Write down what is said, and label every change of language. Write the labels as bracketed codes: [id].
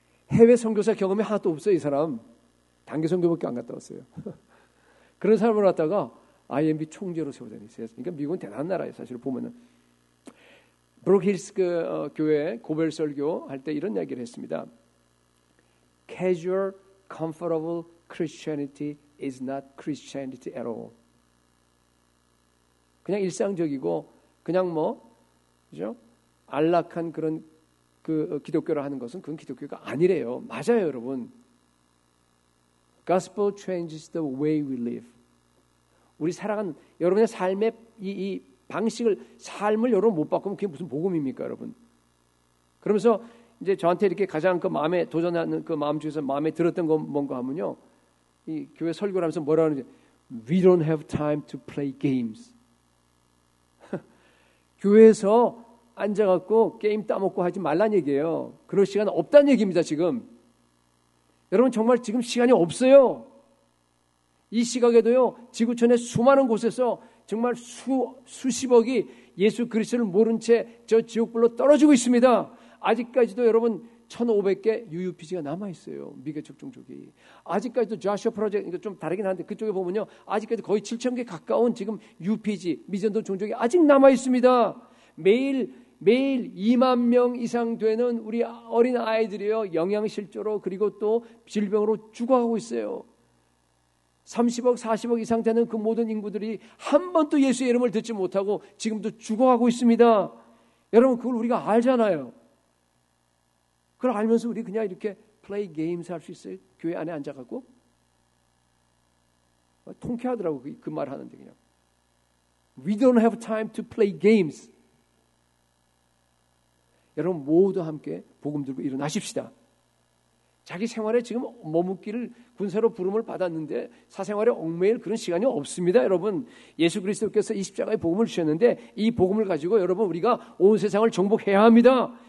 [ko] 해외 선교사 경험이 하나도 없어요. 이 사람. 단기 선교밖에 안 갔다 왔어요. 그런 사람을 갖다가 IMB 총재로 세워다니 세요. 그러니까 미국은 대단한 나라예요. 사실 보면은. 브룩힐스 그, 교회 고별설교 할 때 이런 이야기를 했습니다. [en] Casual, comfortable Christianity is not Christianity at all. [ko] 그냥 일상적이고 그냥 뭐 그죠? 안락한 그런 그 기독교를 하는 것은 그건 기독교가 아니래요. 맞아요, 여러분. [en] Gospel changes the way we live. [ko] 우리 살아간 여러분의 삶의 이 방식을 삶을 여러분 못 바꾸면 그게 무슨 복음입니까, 여러분? 그러면서 이제 저한테 이렇게 가장 그 마음에 도전하는 그 마음 중에서 마음에 들었던 건 뭔가 하면요. 이 교회 설교를 하면서 뭐라 하는지 [en] We don't have time to play games. [ko] 교회에서 앉아갖고 게임 따먹고 하지 말란 얘기예요. 그럴 시간 없다는 얘기입니다, 지금. 여러분, 정말 지금 시간이 없어요. 이 시각에도요, 지구촌의 수많은 곳에서 정말 수십억이 예수 그리스도를 모른 채 저 지옥불로 떨어지고 있습니다. 아직까지도 여러분, 1,500개 UUPG가 남아있어요. 미개척종족이. 아직까지도 Joshua Project, 이거 좀 다르긴 한데, 그쪽에 보면요. 아직까지 거의 7,000개 가까운 지금 UPG, 미전도 종족이 아직 남아있습니다. 매일 매일 2만 명 이상 되는 우리 어린 아이들이요, 영양실조로 그리고 또 질병으로 죽어가고 있어요. 30억, 40억 이상 되는 그 모든 인구들이 한 번도 예수의 이름을 듣지 못하고 지금도 죽어가고 있습니다. 여러분, 그걸 우리가 알잖아요. 그걸 알면서 우리 그냥 이렇게 플레이 게임스 할 수 있어요? 교회 안에 앉아갖고? 통쾌하더라고, 그 말 하는데 그냥. [en] We don't have time to play games. [ko] 여러분 모두 함께 복음 들고 일어나십시다. 자기 생활에 지금 머뭇기를 군사로 부름을 받았는데 사생활에 얽매일 그런 시간이 없습니다. 여러분 예수 그리스도께서 이 십자가의 복음을 주셨는데 이 복음을 가지고 여러분 우리가 온 세상을 정복해야 합니다.